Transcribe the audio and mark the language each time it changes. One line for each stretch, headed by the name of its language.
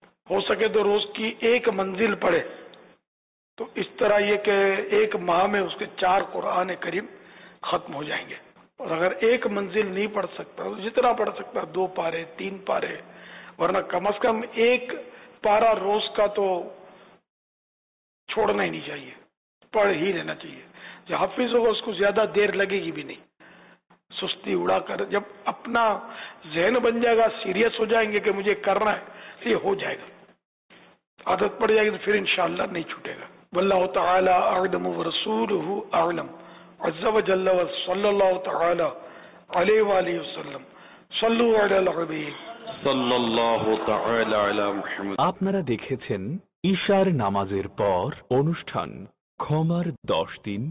Urdu: ہو سکے تو روز کی ایک منزل پڑھے۔ تو اس طرح یہ کہ ایک ماہ میں اس کے 4 قرآن کریم ختم ہو جائیں گے، اور اگر ایک منزل نہیں پڑھ سکتا تو جتنا پڑھ سکتا 2 پارے 3 پارے، ورنہ کم از کم ایک پارا روز کا تو چھوڑنا ہی نہیں چاہیے۔ پڑھ ہی لینا چاہیے. جو حافظ ہوگا اس کو زیادہ دیر لگے گی بھی نہیں. سستی اڑا کر جب اپنا ذہن بن جائے گا, سیریس ہو جائیں گے کہ مجھے کرنا ہے, تو یہ ہو جائے گا. عادت پڑ جائے گی تو پھر انشاءاللہ نہیں چھوٹے گا.
Arabic: واللہ تعالی اعلم ورسوله اعلم عز وجل وصلى الله تعالى عليه واله وسلم صلوا على الحبيب صلى الله تعالى على محمد.
Bangla: আপনারা দেখেছেন ঈশার নামাজের পর অনুষ্ঠান খমার 10 দিন